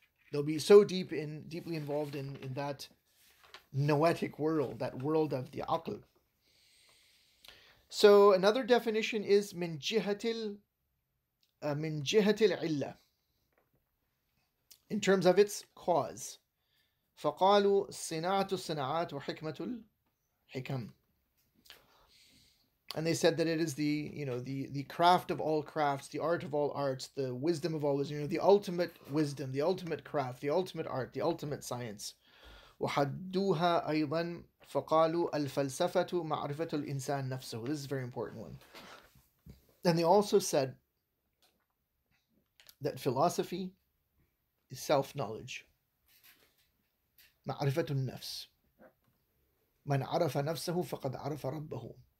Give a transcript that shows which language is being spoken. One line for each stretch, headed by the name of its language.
English: They'll be so deeply involved in that noetic world, that world of the aql. So another definition is
Arabic: min jihatil illa,
English: in terms of its cause.
Arabic: فقالوا صناعة الصناعات وحكمة الحكم.
English: And they said that it is the, you know, the craft of all crafts, the art of all arts, the wisdom of all wisdom, you know, the ultimate wisdom, the ultimate craft, the ultimate art, the ultimate science.
Arabic: وحدوها أيضا فقالوا الفلسفة معرفة الإنسان نفسه.
English: This is a very important one. And they also said that philosophy is self-knowledge.
Arabic: معرفة النفس. من عرف نفسه فقد عرف ربه.